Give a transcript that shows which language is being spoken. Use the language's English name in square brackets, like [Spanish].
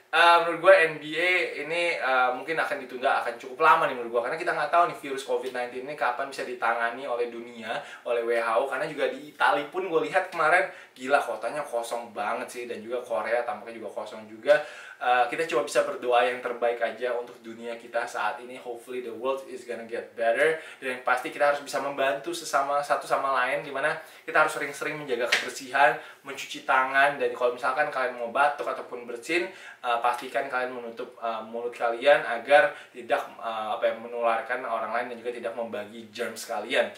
[Indonesian] Menurut gue NBA ini mungkin akan ditunda, akan cukup lama nih menurut gue, karena kita nggak tahu nih virus COVID-19 ini kapan bisa ditangani oleh dunia, oleh WHO. Karena juga di Itali pun gue lihat kemarin, gila kotanya kosong banget sih, dan juga Korea tampaknya juga kosong juga. Kita cuma bisa berdoa yang terbaik aja untuk dunia kita saat ini. [English] Hopefully the world is gonna get better. [Indonesian] Dan yang pasti kita harus bisa membantu sesama satu sama lain, dimana kita harus sering-sering menjaga kebersihan, mencuci tangan. Dan kalau misalkan kalian mau batuk ataupun bersin, pastikan kalian menutup mulut kalian agar tidak menularkan orang lain dan juga tidak membagi germs kalian.